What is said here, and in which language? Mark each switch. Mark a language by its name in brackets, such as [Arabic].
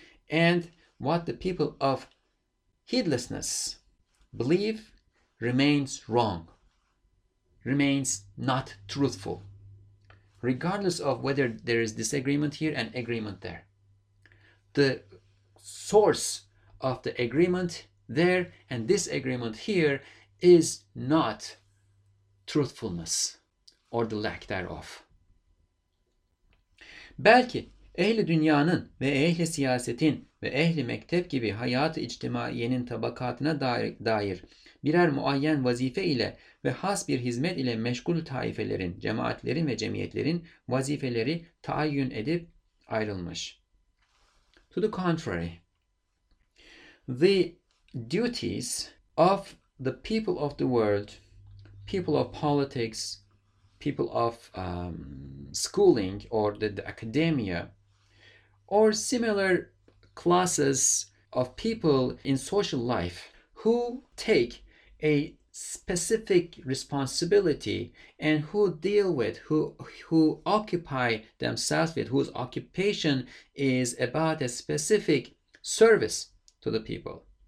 [English] And what the people of heedlessness believe remains wrong, remains not truthful, regardless of whether there is disagreement here and agreement there. The source of the agreement there and disagreement here is not truthfulness or the lack thereof. [Turkish] Belki ehli dünyanın ve ehli siyasetin ve ehli mektep gibi hayat-ı içtimaiyenin tabakatına dair birer muayyen vazife ile ve has bir hizmet ile meşgul taifelerin, cemaatlerin ve cemiyetlerin vazifeleri taayyün edip ayrılmış. [English] To the contrary, the duties of the people of the world, people of politics, people of schooling or the academia, or similar classes of people in social life who take a specific responsibility and who deal with, who occupy themselves with, whose occupation is about a specific service to the people.